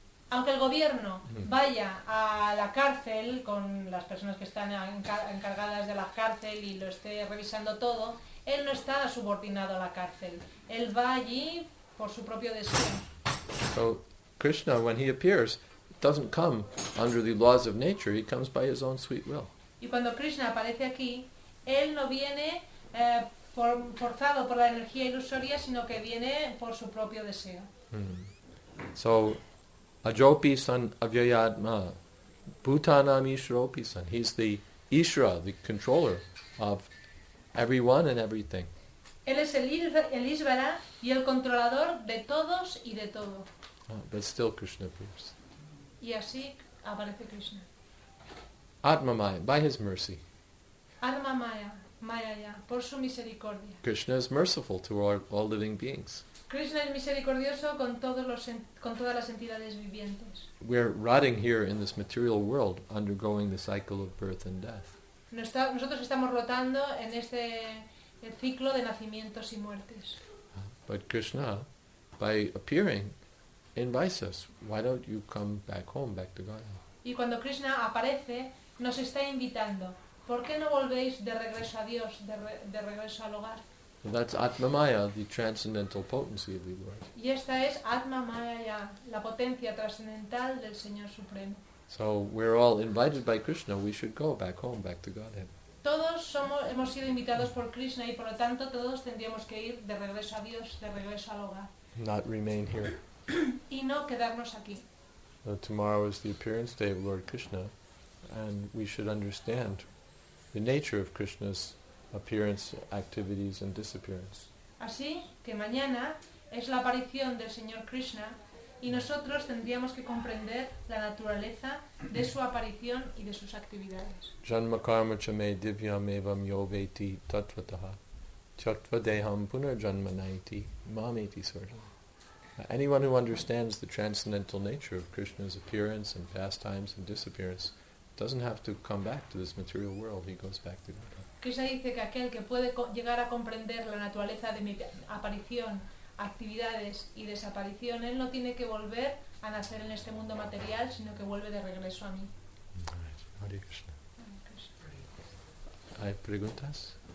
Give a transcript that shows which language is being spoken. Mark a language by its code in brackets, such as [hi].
[es] Aunque el gobierno vaya a la cárcel con las personas que están encargadas de la cárcel y lo esté revisando todo, él no está subordinado a la cárcel. Él va allí por su propio deseo. [en] So Krishna, when he appears, doesn't come under the laws of nature. He comes by his own sweet will. [es] Y cuando Krishna aparece aquí, él no viene forzado por la energía ilusoria, sino que viene por su propio deseo. [sa] So Ajopi san avyayatma, bhutanam ishropi san. [en] He's the Ishra, the controller of everyone and everything. [es] Él es el Ishvara y el controlador de todos y de todo. [en] But still Krishna appears. [es] Y así aparece Krishna. [en] Atma Maya, by his mercy. [es] Atma Maya, Maya ya, por su misericordia. [en] Krishna is merciful to all living beings. [es] Krishna es misericordioso con todos los con todas las entidades vivientes. [en] We're rotting here in this material world, undergoing the cycle of birth and death. [es] Nosotros estamos rotando en este ciclo de nacimientos y muertes. [en] But Krishna, by appearing, invites us. Why don't you come back home, back to Godhead? [es] Y cuando Krishna aparece, nos está invitando. ¿Por qué no volvéis de regreso a Dios, de regreso al hogar? [en] That's Atma Maya, the transcendental potency of the Lord. [es] Y esta es Atma Maya, la potencia trascendental del Señor Supremo. [en] So we're all invited by Krishna, we should go back home, back to Godhead. [es] Todos somos, hemos sido invitados por Krishna y por lo tanto todos tendríamos que ir de regreso a Dios, de regreso al hogar. [en] Not remain here. [es] Y no quedarnos aquí. [en] So tomorrow is the appearance day of Lord Krishna, and we should understand the nature of Krishna's appearance, activities, and disappearance. [es] Así que mañana es la aparición del Señor Krishna, y nosotros tendríamos que comprender la naturaleza de su aparición y de sus actividades. [sa] Janma karma cha me divyam evam yo veti tatvataha tyaktva deham punarjanma naiti mameti svartam. [en] Anyone who understands the transcendental nature of Krishna's appearance and pastimes and disappearance doesn't have to come back to this material world. He goes back to Godhead. [es] Krishna dice que aquel que puede llegar a comprender la naturaleza de mi aparición, actividades y desaparición, él no tiene que volver a nacer en este mundo material, sino que vuelve de regreso a mí. [sa] Hare Krishna. [es] ¿Hay preguntas?